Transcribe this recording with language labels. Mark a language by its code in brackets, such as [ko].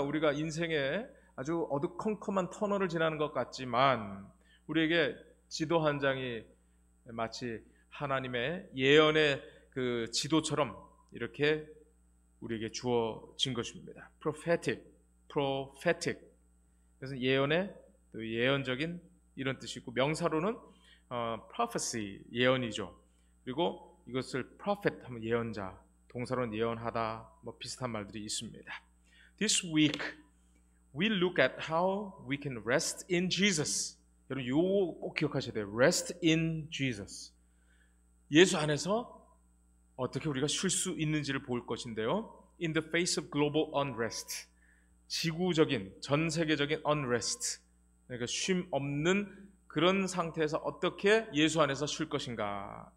[ko] 우리가 인생에 아주 어두컴컴한 터널을 지나는 것 같지만 우리에게 지도 한 장이 마치 하나님의 예언의 그 지도처럼 이렇게 우리에게 주어진 것입니다. prophetic. 그래서 예언의 또 예언적인 이런 뜻이고 명사로는 prophecy 예언이죠. 그리고 이것을 prophet 하면 예언자, 동사로는 예언하다 뭐 비슷한 말들이 있습니다. [en] This week We look at how we can rest in Jesus. [ko] 여러분, 요꼭 기억하셔야 돼요. [en] Rest in Jesus. [ko] 예수 안에서 어떻게 우리가 쉴수 있는지를 볼 것인데요. [en] In the face of global unrest. [ko] 지구적인, 전 세계적인 [en] unrest. [ko] 그러니까 쉼 없는 그런 상태에서 어떻게 예수 안에서 쉴 것인가.